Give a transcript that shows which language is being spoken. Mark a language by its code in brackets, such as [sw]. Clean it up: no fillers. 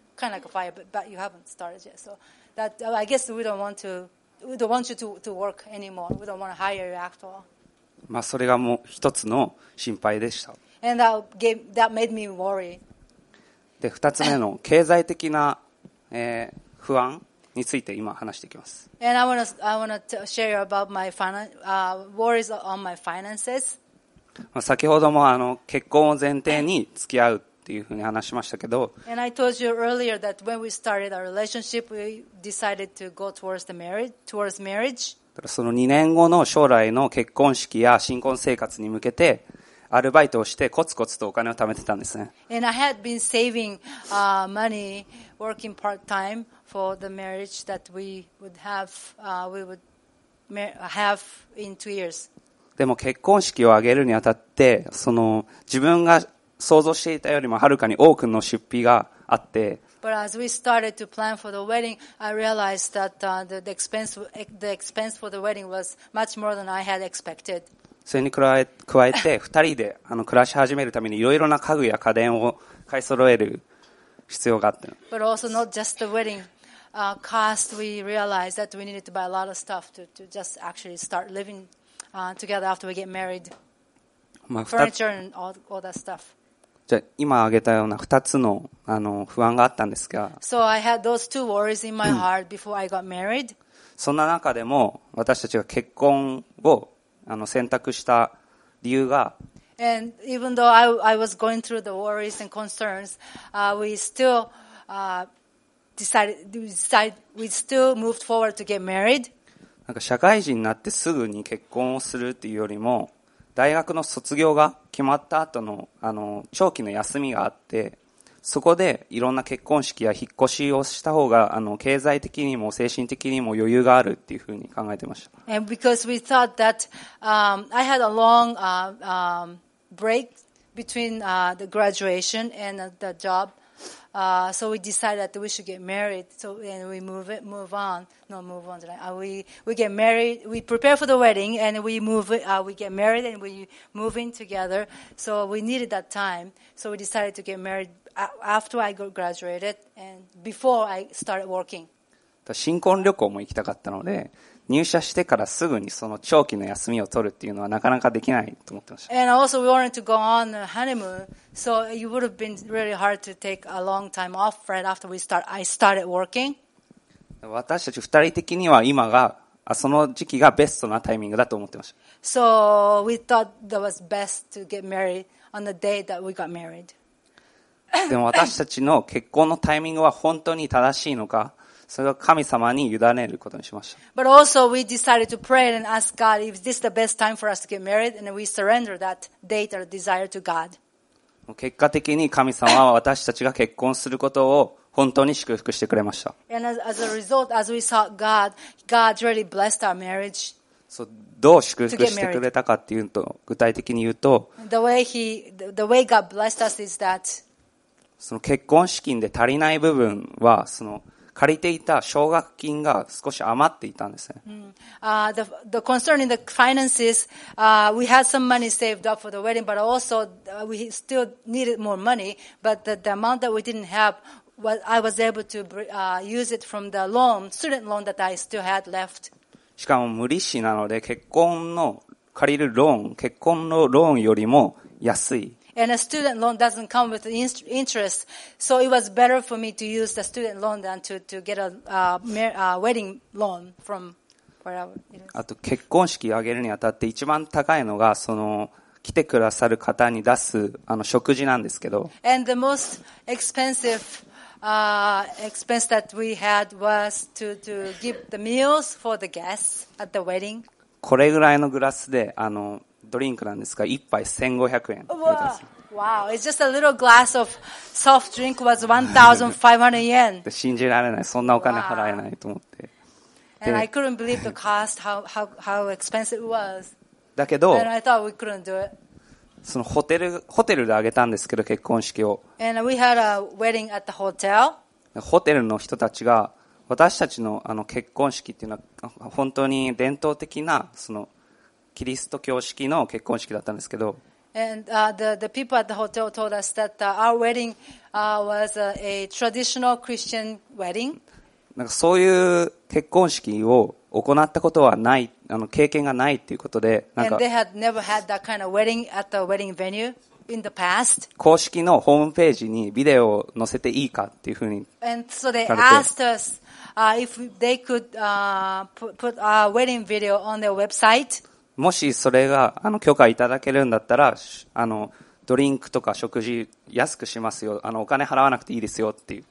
[en] Kind of like a fire, but you haven't started yet. So that, I guess we don't want you to work anymore. We don't want to hire you at all. [ja] まあそれがもう一つの心配でした。 [en] And that made me worry. [ja] で2つ目の経済的な、不安について今話していきます。 [en] And I wanna share you about my worries on my finances. [ja] 先ほどもあの結婚を前提に付き合うっていうふうに話しましたけど。 [en] And I told you earlier that when we started our relationship, we decided to go towards marriage. [ja] その2年後の将来の結婚式や新婚生活に向けて。アルバイトをしてコツコツとお金を貯めてたんですね。 [en] And I had been saving money working part-time for the marriage that we would have, we would have in 2 years. [ja] でも結婚式を挙げるにあたって、その自分が想像していたよりもはるかに多くの出費があって。 [en] But as we started to plan for the wedding, I realized that the expense for the wedding was much more than I had expected. [ja] それに加えて2人であの暮らし始めるためにいろいろな家具や家電を買い揃える必要があった。 [en] But also not just the wedding cost, we realized that we needed to buy a lot of stuff to just actually start living together after we get married. Furniture and all that stuff. [ja] じゃ今挙げたような2つの、あの不安があったんですが。 [en] So I had those two worries in my heart before I got married. [ja] そんな中でも私たちが結婚をあの選択した理由が、 [en] And even though I was going through the worries and concerns, we still moved forward to get married. [ja] なんか社会人になってすぐに結婚をするっていうよりも、大学の卒業が決まった後のあの長期の休みがあって、そこでいろんな結婚式や引っ越しをした方があの経済的にも精神的にも余裕があるっていうふうに考えてました。 [en] And because we thought that I had a long break between the graduation and the job, so we decided that we should get married. So and we get married, we prepare for the wedding and we get married and we move in together. So we needed that time. So we decided to get married. After I graduated and before I started working. [ja] 新婚旅行も行きたかったので、入社してからすぐにその長期の休みを取るっていうのはなかなかできないと思ってました。 [en] And also we wanted to go on a honeymoon, so it would have been really hard to take a long time off right after I started working. [ja] 私たち二人的には今が、その時期がベストなタイミングだと思ってました。 [en] So we thought that was best to get married on the day that we got married. [ja] でも私たちの結婚のタイミングは本当に正しいのか、それを神様に委ねることにしました。 [en] But also we decided to pray and ask God if this is the best time for us to get married and we surrender that date or desire to God. [ja] 結果的に神様は私たちが結婚することを本当に祝福してくれました。 [en] And as a result, as we saw God, God really blessed our marriage. [ja] So, どう祝福してくれたかっていうと具体的に言うと、 [en] the way God blessed us is that [ja] その結婚資金で足りない部分はその借りていた奨学金が少し余っていたんですね。 [en] The concern in the finances, we had some money saved up for the wedding, but also we still needed more money, but the amount that we didn't have, I was able to use it from the loan, student loan that I still had left. [ja] しかも無利子なので結婚の借りるローン、結婚のローンよりも安い。 [en] And a student loan doesn't come with interest, so it was better for me to use the student loan than to get a wedding loan from wherever. [ja] あと結婚式を挙げるにあたって一番高いのがその来てくださる方に出すあの食事なんですけど。 [en] And the most expensive expense that we had was to give the meals for the guests at the wedding. [ja] これぐらいのグラスで、あのドリンクなんですが、一杯1500円。 [en] Wow, it's just a little glass of soft drink was 1,500 yen. [ja] 信じられない、そんなお金払えないと思って。 [en] Wow. And I couldn't believe the cost, how expensive it was. [ja] だけど、 [en] And I thought we couldn't do it. [ja] そのホテルであげたんですけど、結婚式を。 [en] And we had a wedding at the hotel. [ja] ホテルの人たちが、私たちのあの結婚式っていうのは本当に伝統的なそのキリスト教式の結婚式だったんですけど。 [en] And the people at the hotel told us that our wedding was a traditional Christian wedding. [ja] なんかそういう結婚式を行ったことはない、あの経験がないっていうことで、なんか。 [en] And they had never had that kind of wedding at the wedding venue in the past. [ja] 公式のホームページにビデオを載せていいかっていうふうに。 [en] And so they asked us if they could put our wedding video on their website. [ja] もしそれがあの許可いただけるんだったら、あのドリンクとか食事安くしますよ、あのお金払わなくていいですよっていう。